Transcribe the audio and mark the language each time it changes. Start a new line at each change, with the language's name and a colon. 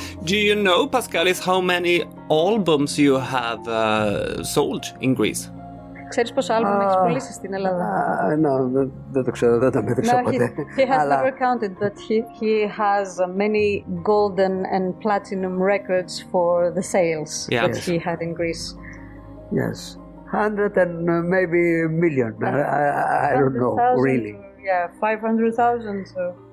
English: Do you know, Paskalis, how many albums you have sold in Greece?
Greek: Ξέρεις πόσα άλμπουμ έχεις πουλήσει στην Ελλάδα? No, δεν το ξέρω, δεν τα μέτρησα ποτέ.
English: He has never counted, but he has many golden and platinum records for the sales that he had in Greece. Yes, 100 and maybe a million, I don't know, really. Yeah, 500,000, so...